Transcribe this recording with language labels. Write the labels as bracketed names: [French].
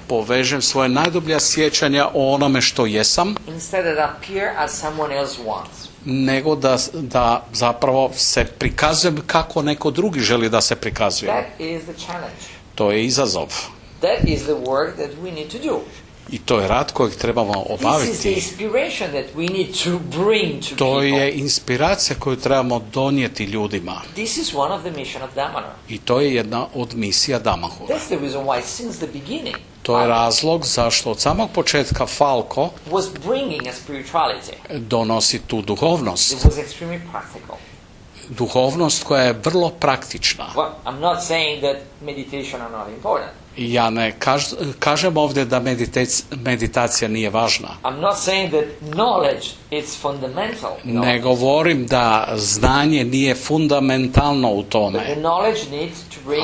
[Croatian] povežem svoje najdublja sjećanja o onome što jesam, [English] instead of appear as someone else wants. [Croatian] Nego da, da zapravo se prikazujem kako neko drugi želi da se prikazuje. [English] That is the challenge. [Croatian] To je izazov. [English] That is the work that we need to do. [Croatian] I to je rad kojeg trebamo obaviti. [English] This is the inspiration that we need to bring to to people. [Croatian] Je inspiracija koju trebamo donijeti ljudima. [English] This is one of the mission of Dhammahura. [Croatian] I to je jedna od misija Dhammahura. [English] That's the reason why since the beginning. [Croatian] To je razlog zašto od samog početka Falco [English] was bringing a spirituality. [Croatian] Donosi tu duhovnost. [English] It was extremely practical. [Croatian] Duhovnost koja je vrlo praktična. [English] Well, I'm not saying that meditation are not important. [Croatian] Ja ne kažem ovdje da meditacija nije važna. [English] I'm not saying that knowledge is fundamental. [Croatian] Ne govorim da znanje nije fundamentalno u tome. [English] But the knowledge needs to bring.